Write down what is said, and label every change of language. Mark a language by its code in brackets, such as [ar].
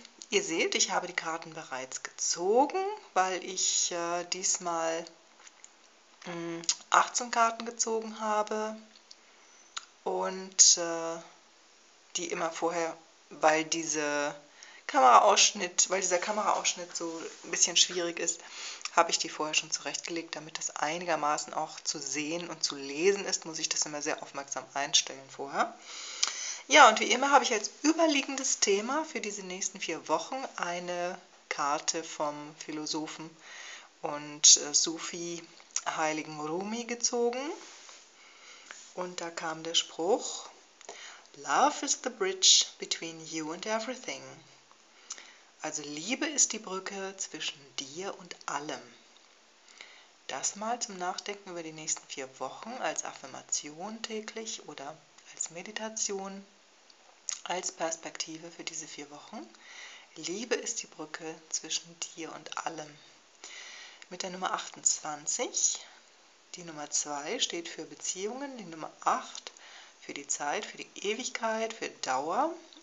[de] Ihr seht, ich habe die Karten bereits gezogen, weil ich diesmal 18 Karten gezogen habe und die immer vorher, weil diese Kameraausschnitt, weil dieser Kameraausschnitt so ein bisschen schwierig ist, habe ich die vorher schon zurechtgelegt, damit das einigermaßen auch zu sehen und zu lesen ist, muss ich das immer sehr aufmerksam einstellen vorher. Ja, und wie immer habe ich als überliegendes Thema für diese nächsten 4 Wochen eine Karte vom Philosophen und Sufi-Heiligen Rumi gezogen. [en] Und da kam der Spruch: Love is the bridge between you and everything. [de] Also Liebe ist die Brücke zwischen dir und allem. Das mal zum Nachdenken über die nächsten 4 Wochen als Affirmation täglich oder als Meditation, als Perspektive für diese 4 Wochen. Liebe ist die Brücke zwischen dir und allem. Mit der Nummer 28, die Nummer 2 steht für Beziehungen, die Nummer 8 für die Zeit, für die Ewigkeit, für Dauer.